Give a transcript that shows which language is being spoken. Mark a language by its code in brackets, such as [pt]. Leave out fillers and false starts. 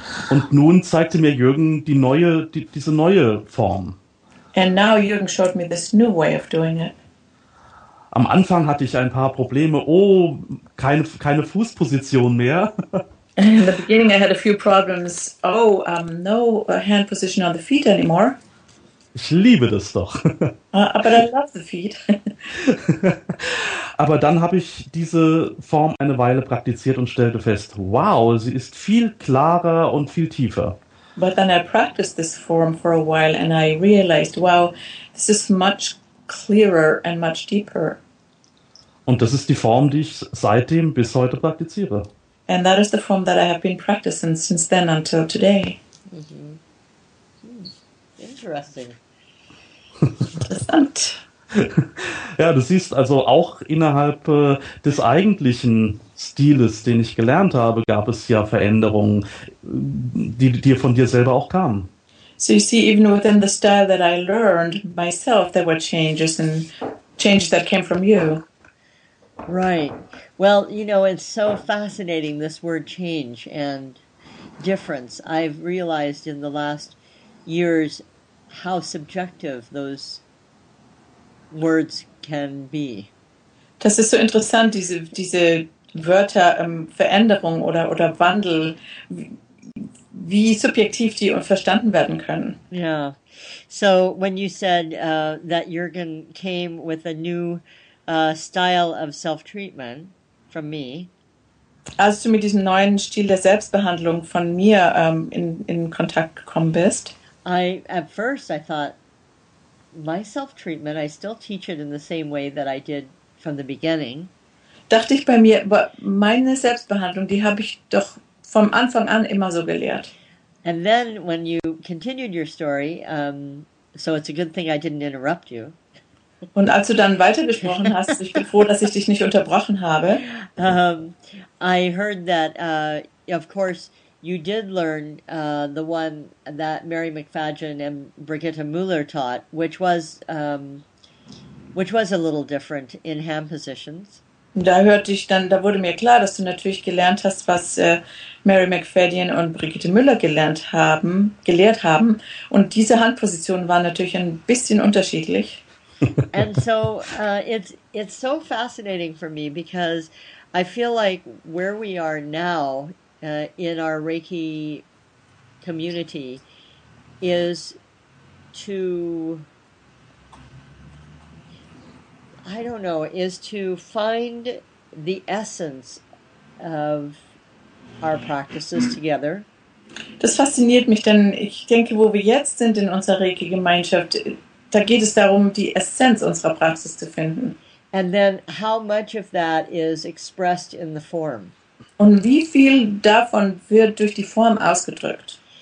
[de] Und nun zeigte mir Jürgen diese neue Form. [en] And now Jürgen showed me this new way of doing it. [de] Am Anfang hatte ich ein paar Probleme. Oh, keine Fußposition mehr. [en] In the beginning I had a few problems. Oh, no hand position on the feet anymore. [de] Ich liebe das doch. [en] But I love the feet. [de] Aber dann habe ich diese Form eine Weile praktiziert und stellte fest, wow, sie ist viel klarer und viel tiefer. [en] But then I practiced this form for a while and I realized, wow, this is much clearer and much deeper. [de] Und das ist die Form, die ich seitdem bis heute praktiziere. [en] And that is the form that I have been practicing since then until today. Mm-hmm. Interesting. [de] Interessant. Ja, du siehst also auch innerhalb des eigentlichen Stiles, den ich gelernt habe, gab es ja Veränderungen, die dir von dir selber auch kamen. [en] So you see, even within the style that I learned myself, there were changes and changes that came from you. Right. Well, you know, it's so fascinating, this word change and difference. I've realized in the last years how subjective those words can be. [de] Das ist so interessant, diese Wörter, Veränderung oder Wandel, wie subjektiv die verstanden werden können. [en] Yeah. So when you said that Jürgen came with a new style of self-treatment from me. [de] Als du mit diesem neuen Stil der Selbstbehandlung von mir in Kontakt gekommen bist. [en] At first I thought, my self-treatment, I still teach it in the same way that I did from the beginning. [de] Dachte ich bei mir, meine Selbstbehandlung, die habe ich doch vom Anfang an immer so gelehrt. [en] And then when you continued your story, so it's a good thing I didn't interrupt you. [de] Und als du dann weitergesprochen hast, ich bin froh, dass ich dich nicht unterbrochen habe. [en] I heard that, of course, you did learn the one that Mary McFadgen and Brigitte Müller taught, which was a little different in hand positions. [de] Da wurde mir klar, dass du natürlich gelernt hast, was Mary McFadden und Brigitte Müller gelehrt haben. Und diese Handpositionen waren natürlich ein bisschen unterschiedlich. [en] And so it's so fascinating for me because I feel like where we are now in our Reiki community is to, I don't know, is to find the essence of our practices together. [de] Das fasziniert mich, denn ich denke, wo wir jetzt sind in unserer Reiki-Gemeinschaft, da geht es darum, die Essenz unserer Praxis zu finden. [en] And then how much of that is expressed in the form? [de] Und wie viel davon wird durch die Form ausgedrückt?